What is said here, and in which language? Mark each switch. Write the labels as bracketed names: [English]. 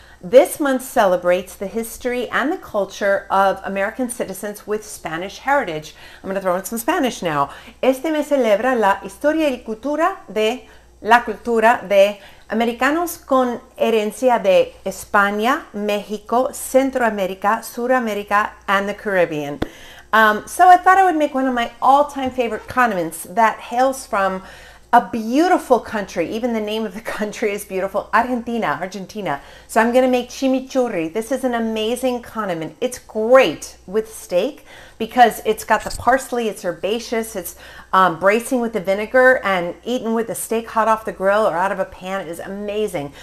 [English] This month celebrates the history and the culture of American citizens with Spanish heritage. I'm going to throw in some Spanish now. [Spanish] Este mes celebra la historia y cultura de la cultura de americanos con herencia de España, México, Centroamérica, Suramérica, [English] and the Caribbean. So I thought I would make one of my all-time favorite condiments that hails from a beautiful country. Even the name of the country is beautiful, Argentina. So I'm gonna make chimichurri. This is an amazing condiment. It's great with steak because it's got the parsley, it's herbaceous, it's bracing with the vinegar, and eaten with the steak hot off the grill or out of a pan, it is amazing.